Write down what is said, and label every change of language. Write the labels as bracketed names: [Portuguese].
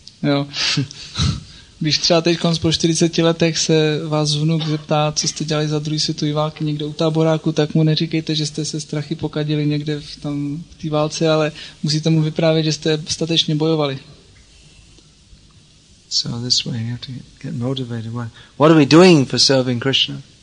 [Czech] Jo. Když třeba teďkon po 40 letech se vás vnuk zeptá, co jste dělali za druhý světový války někde u táboráku, tak mu neříkejte, že jste se strachy pokadili někde v té válce, ale musíte mu vyprávět, že jste statečně bojovali. [English] So this way you have to get motivated. What are we doing for serving Krishna?